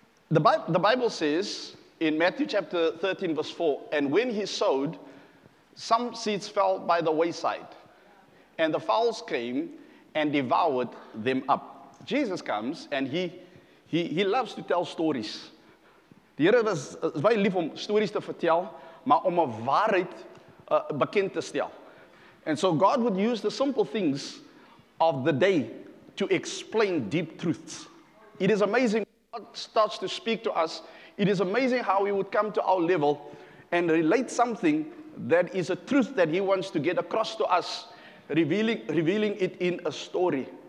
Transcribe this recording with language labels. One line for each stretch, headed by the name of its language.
English: The Bible says in Matthew chapter 13, verse 4, and when he sowed, some seeds fell by the wayside, and the fowls came and devoured them up. Jesus comes and he loves to tell stories.
Afrikaans: Die Here was baie lief om stories te vertel, maar om 'n waarheid bekend te stel.
English: And so God would use the simple things of the day to explain deep truths. It is amazing God starts to speak to us. It is amazing how He would come to our level and relate something that is a truth that He wants to get across to us, revealing it in a story.